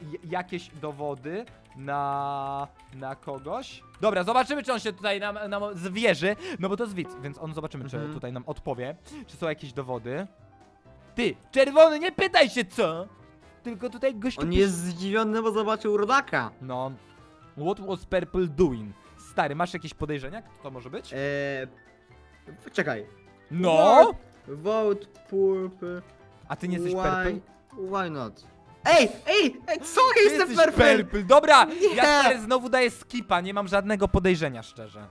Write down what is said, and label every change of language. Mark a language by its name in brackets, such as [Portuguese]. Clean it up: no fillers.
[Polish] Jakieś dowody na kogoś. Dobra, zobaczymy, czy on się tutaj nam zwierzy. No bo to jest widz, więc on zobaczymy, czy tutaj nam odpowie. Czy są jakieś dowody. Ty, czerwony, nie pytaj się co. Tylko tutaj gość. On jest zdziwiony, bo zobaczył rodaka. [English] No, what was purple doing? [Polish] Stary, masz jakieś podejrzenia, kto to może być? Czekaj. No. [English] Vote purple. [Polish] A ty nie jesteś purple? [English] Why not? [Polish] Ej, co? Jestem purple! Purple. Dobra, yeah. Ja znowu daję skipa, nie mam żadnego podejrzenia, szczerze.